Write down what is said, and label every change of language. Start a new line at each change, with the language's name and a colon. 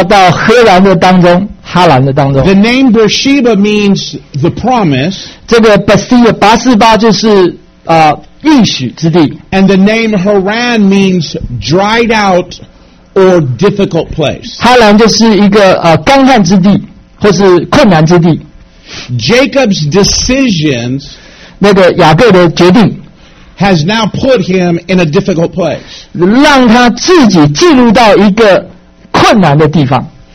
Chinese: 他在28章第10节，他从那个八四八呢，要到哈兰的当中。
English: The name Beersheba means the promise.
Chinese: 这个八四八就是应许之地。
English: And the name Haran means dried out or difficult place.
Chinese: 哈兰就是一个干旱之地，或是困难之地。
English: Jacob's decisions.
Chinese: 那个雅各的决定。
English: Has now put him in a difficult place.
Chinese: 让他自己进入到一个困难的地方。